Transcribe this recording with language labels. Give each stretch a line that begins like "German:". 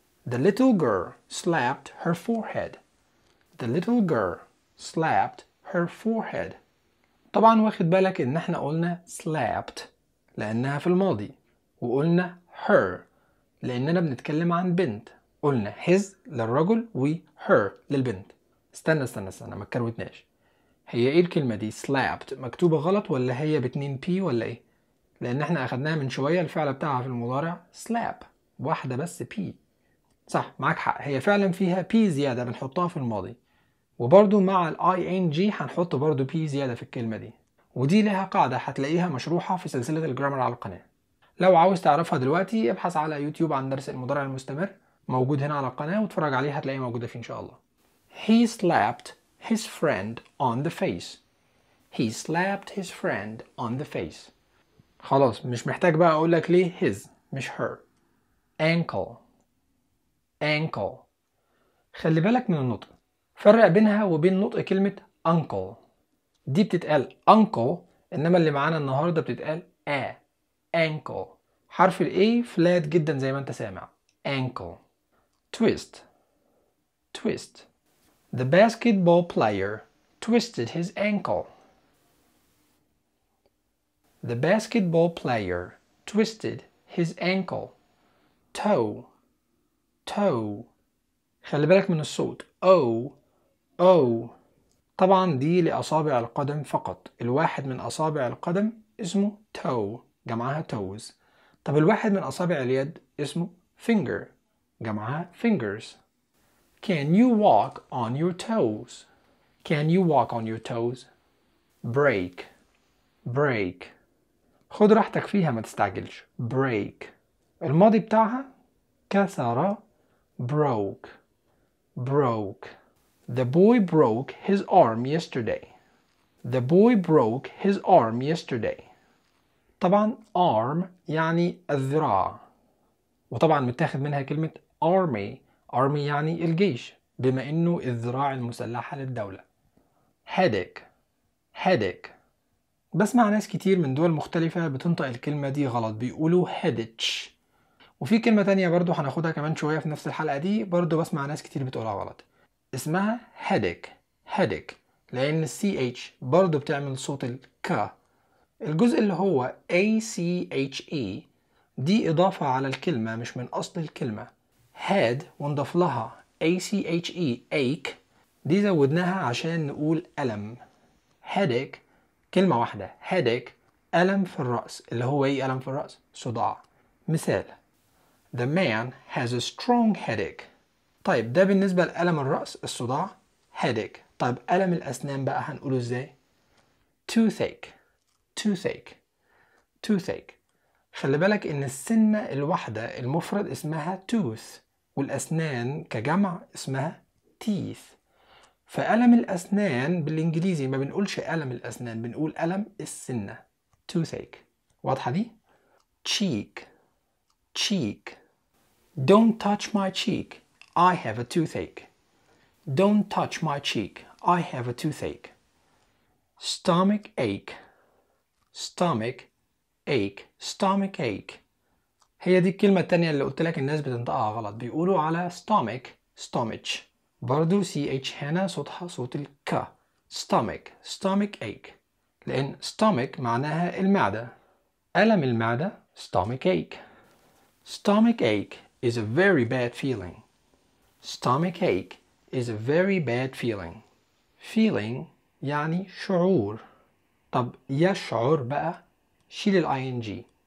English: the little girl slapped her forehead. the little girl slapped her forehead.
Arabic: طبعا واخد بالك ان احنا قلنا slapped لانها في الماضي، وقلنا her لاننا بنتكلم عن بنت، قلنا his للرجل و her للبنت. استنى استنى استنى ما اتكروتناش، هي ايه الكلمة دي slapped مكتوبة غلط ولا هي باتنين p ولا ايه؟ لان احنا اخدناها من شوية الفعل بتاعها في المضارع slap واحدة بس p. صح معاك حق، هي فعلا فيها p زيادة بنحطها في الماضي، وبرضو مع الـ ING هنحط برضو P زيادة في الكلمة دي، ودي لها قاعدة هتلاقيها مشروحة في سلسلة الجرامر على القناة. لو عاوز تعرفها دلوقتي ابحث على يوتيوب عن درس المضارع المستمر موجود هنا على القناة واتفرج عليها هتلاقيها موجودة فيه إن شاء الله.
English: He slapped his friend on the face. He slapped his friend on the face.
Arabic: خلاص مش محتاج بقى أقولك ليه his مش her.
English: Ankle Ankle.
Arabic: خلي بالك من النطق، فرق بينها وبين نطق كلمة uncle، دي بتتقال uncle، إنما اللي معانا النهاردة بتتقال a ankle. حرف الـ a flat جدا زي ما انت سامع ankle.
English: twist twist. the basketball player twisted his ankle. the basketball player twisted his ankle. toe toe.
Arabic: خلي بالك من الصوت o O. طبعا دي لأصابع القدم فقط، الواحد من أصابع القدم اسمه toe جمعها toes. طب الواحد من أصابع اليد اسمه finger جمعها fingers.
English: Can you walk on your toes? Can you walk on your toes? break break.
Arabic: خد راحتك فيها ما تستعجلش. break الماضي بتاعها كسر.
English: broke broke. The boy broke his arm yesterday. The boy broke his arm yesterday.
Arabic: طبعا arm يعني الذراع، وطبعا متاخد منها كلمة army. army يعني الجيش، بما انه الذراع المسلحة للدولة.
English: headache headache.
Arabic: بسمع ناس كتير من دول مختلفة بتنطق الكلمة دي غلط، بيقولوا headache. وفي كلمة تانية برضو هناخدها كمان شوية في نفس الحلقة دي، برضو بسمع ناس كتير بتقولها غلط، اسمها headache headache، لأن ال CH برضو بتعمل صوت ال K. الجزء اللي هو ACHE دي إضافة على الكلمة مش من أصل الكلمة. head ونضف لها ACHE ache، دي زودناها عشان نقول ألم. headache كلمة واحدة، headache ألم في الرأس، اللي هو إيه ألم في الرأس؟ صداع. مثال
English: The man has a strong headache.
Arabic: طيب ده بالنسبة لألم الرأس الصداع headache. طيب ألم الأسنان بقى هنقوله إزاي؟ toothache toothache toothache. خلي بالك إن السنة الواحدة المفرد اسمها tooth، والأسنان كجمع اسمها teeth. فألم الأسنان بالإنجليزي ما بنقولش ألم الأسنان، بنقول ألم السنة toothache. واضحة دي؟
English: cheek cheek. Don't touch my cheek. I have a toothache. Don't touch my cheek. I have a toothache. Stomach ache. Stomach ache. Stomach ache.
Arabic: هي دي الكلمة التانية اللي قلت لك الناس بتنطقها غلط، بيقولوا على stomach stomach. برضو ch هنا صوتها صوت ال k.
English: Stomach stomach ache.
Arabic: لأن stomach معناها المعدة. ألم المعدة stomach ache.
English: Stomach ache is a very bad feeling. Stomach ache is a very bad feeling.
Arabic: Feeling يعني شعور. طب يشعر بقى شيل ال ing.